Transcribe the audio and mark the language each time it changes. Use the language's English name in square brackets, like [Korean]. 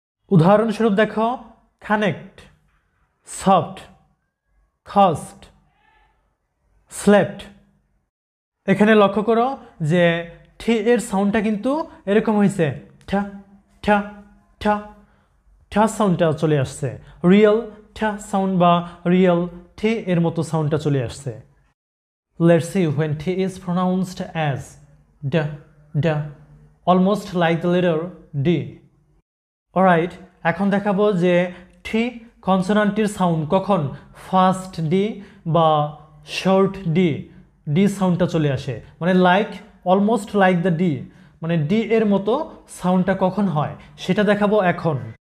[Bangla] উদাহরণস্বরূপ দেখো, connect, soft, খস্ট, slept. এখানে লক্ষ্য করো যে ঠ এর সাউন্ডটা কিন্তু এরকম হয়েছে, ঠ ঠ ঠ ঠ সাউন্ডটা চলে আসছে, রিয়েল ঠ সাউন্ড বা রিয়েল ঠ এর মতো সাউন্ডটা চলে আসছে। [English] Let's see when T is pronounced as D, D, almost like the letter D. [Bangla] Alright, এখন দেখাবো যে T কনসোনান্টের সাউন্ড কখন ফাস্ট D বা শর্ট D, D সাউন্ডটা চলে আসে, মানে [English] like, almost like the D, [Bangla] মানে D এর মতো সাউন্ডটা কখন হয় সেটা দেখাবো এখন।